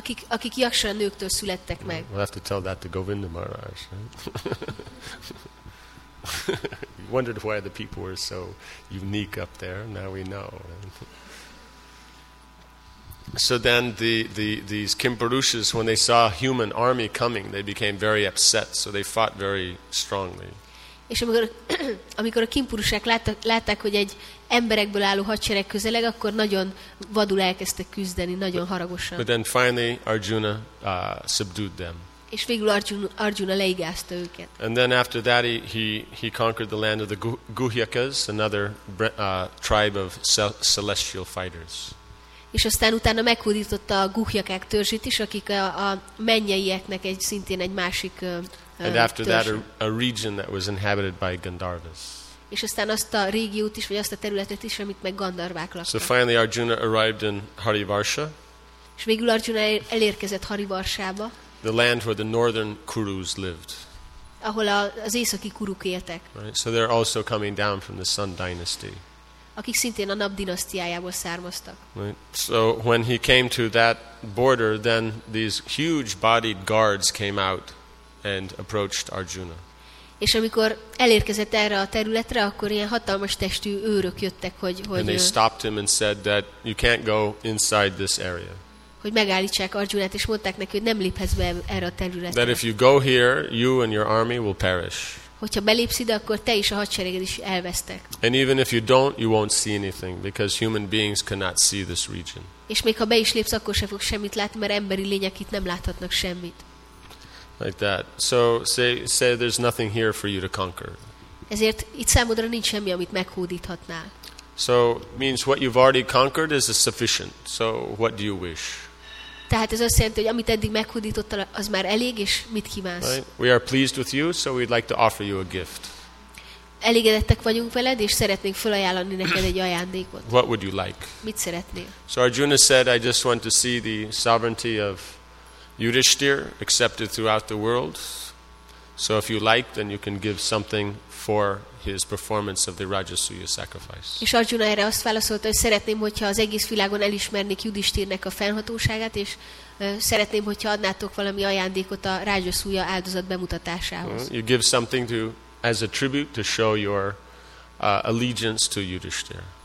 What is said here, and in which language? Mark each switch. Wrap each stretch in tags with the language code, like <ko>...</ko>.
<hu>Akik Yaksha nőktől születtek meg.</hu> <en>We'll have to tell that to Govinda Maharaj. Right? You wondered why the people were so unique up there. Now we know. So then these Kimpurushas, when they saw a human army coming, they became very upset. So they fought very strongly.</en> <hu>És amikor a kimpurusák látták, hogy egy emberekből álló hadsereg közeleg, akkor nagyon vadul elkezdtek küzdeni, nagyon haragosan.</hu> <en>But then finally Arjuna subdued them.</en> <hu>És végül Arjuna leigázta őket.</hu> <en>And then after that he conquered the land of the Guhyakas, another tribe of celestial fighters.</en> <hu>És aztán utána meghódította a Guhyakák törzsét is, akik a mennyeieknek egy szintén egy másik</hu> <en>And after that, a region that was inhabited by Gandharvas.</en> <hu>És aztán azt a régiót is, vagy azt a területet is, amit meg Gandharvák laktak.</hu> <en>So finally Arjuna arrived in Harivarsha.</en> <hu>És végül Arjuna elérkezett Harivarsába.</hu> <en>The land where the northern Kurus lived.</en> <hu>Ahol az északi kuruk éltek.</hu> <en>Right? So they're also coming down from the Sun Dynasty.</en> <hu>Akik szintén a Nap dinasztiájából származtak.</hu> <en>Right? So when he came to that border, then these huge bodied guards came out. And approached Arjuna.</en> <hu>És amikor elérkezett erre a területre, akkor ilyen hatalmas testű őrök jöttek, hogy</hu> <en>And they stopped him and said that you can't go inside this area.</en> <hu>Hogy megállítsák Arjunát, és mondták neki, hogy nem léphetsz be erre a területre.</hu> <en>That if you go here, you and your army will perish.</en> <hu>Hogyha belépsz ide, akkor te is a hadsereged is elvesztek.</hu> <en>And even if you don't, you won't see anything because human beings cannot see this region.</en> <hu>És még ha be is lépsz, akkor sem fog semmit látni, mert emberi lények itt nem láthatnak semmit.</hu> <en>Like that. So say there's nothing here for you to conquer.</en> <hu>Ezért itt számodra nincs semmi, amit meghódíthatnál.</hu> <en>So means what you've already conquered is sufficient. So what do you wish?</en> <hu>Tehát ez azt jelenti, hogy amit eddig meghódítottál, az már elég, és mit kívánsz?</hu> <en>Right? We are pleased with you, so we'd like to offer you a gift.</en> <hu>Elégedettek vagyunk veled, és szeretnénk felajánlani neked egy ajándékot.</hu> <en>What would you like?</en> <hu>Mit szeretnél?</hu> <en>So Arjuna said, I just want to see the sovereignty of Yudhishthir accepted throughout the world. So if you like, then you can give something for his performance of the Rajasuya sacrifice.</en> <hu>És Arjuna erre azt válaszolta, hogy szeretném, hogyha az egész világon elismernék Yudhishthirnek a fennhatóságát, és szeretném, hogyha adnátok valami ajándékot a Rajasuya áldozat bemutatásához.</hu> <en>Well, you give something to as a tribute to show your allegiance to Yudhishthir.</en>